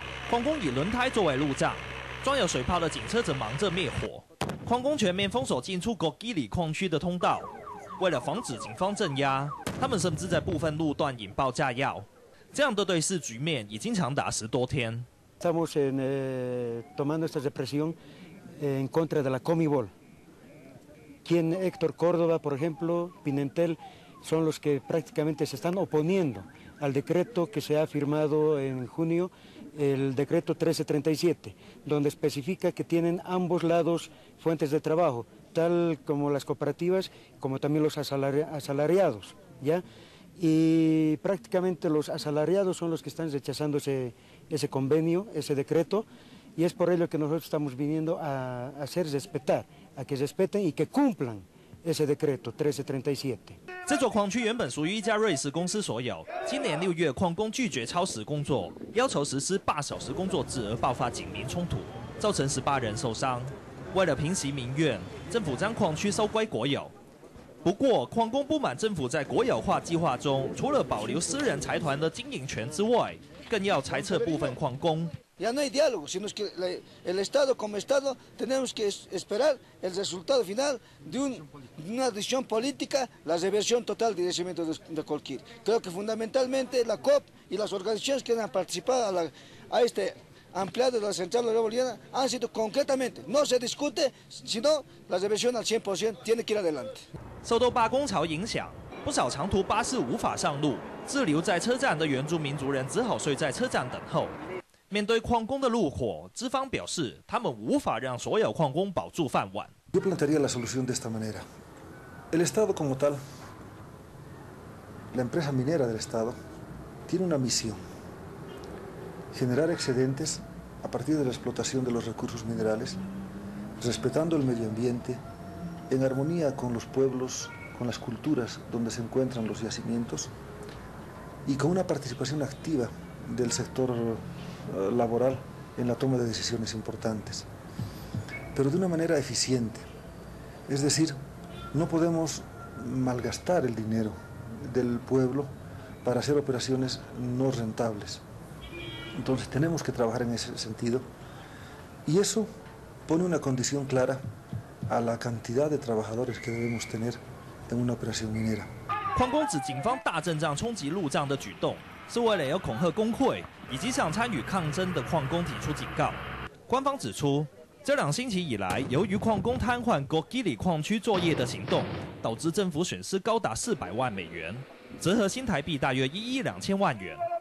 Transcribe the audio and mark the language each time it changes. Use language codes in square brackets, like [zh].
[zh] 矿工以轮胎作为路障，装有水炮的警车则忙着灭火。矿工全面封锁进出戈基里矿区的通道，为了防止警方镇压，他们甚至在部分路段引爆炸药。这样的对峙局面已经长达10多天。 [es] Estamos tomando esta represión en contra de la Comibol. Quien Héctor Córdoba, por ejemplo, Pimentel, son los que prácticamente se están oponiendo al decreto que se ha firmado en junio, el decreto 1337, donde especifica que tienen ambos lados fuentes de trabajo, tal como las cooperativas, como también los asalariados. ¿Ya? Y prácticamente los asalariados son los que están rechazando ese convenio, ese decreto, y es por ello que nosotros estamos viniendo a hacer respetar, a que respeten y que cumplan ese decreto 1337. [zh] 这座矿区原本属于一家瑞士公司所有，今年6月矿工拒绝超时工作，要求实施8小时工作制而爆发警民冲突，造成18人受伤。为了平息民怨，政府将矿区收归国有。不过，矿工不满政府在国有化计划中，除了保留私人财团的经营权之外，更要裁撤部分矿工。 [es] Ya no hay diálogo, sino que el Estado como Estado tenemos que esperar el resultado final de una decisión política, la reversión total del yacimiento de Colquiri. Creo que fundamentalmente la COP y las organizaciones que han participado a este ampliado de la central de la Boliviana han sido concretamente, no se discute, sino la reversión al 100% tiene que ir adelante. [zh] 受到罢工潮影响，不少长途巴士无法上路，滞留在车站的原住民族人只好睡在车站等候。面对矿工的怒火，资方表示他们无法让所有矿工保住饭碗。 [es] Yo plantearía la solución de esta manera: el Estado como tal, la empresa minera del Estado, tiene una misión: generar excedentes a partir de la explotación de los recursos minerales, respetando el medio ambiente, en armonía con los pueblos, con las culturas donde se encuentran los yacimientos. Y con una participación activa del sector laboral en la toma de decisiones importantes, pero de una manera eficiente. Es decir, no podemos malgastar el dinero del pueblo para hacer operaciones no rentables. Entonces tenemos que trabajar en ese sentido. Y eso pone una condición clara a la cantidad de trabajadores que debemos tener en una operación minera. [zh] 矿工指警方大阵仗冲击路障的举动，是为了要恐吓工会以及想参与抗争的矿工提出警告。官方指出，这2星期以来，由于矿工瘫痪戈基里矿区作业的行动，导致政府损失高达400万美元，折合新台币大约12000万元。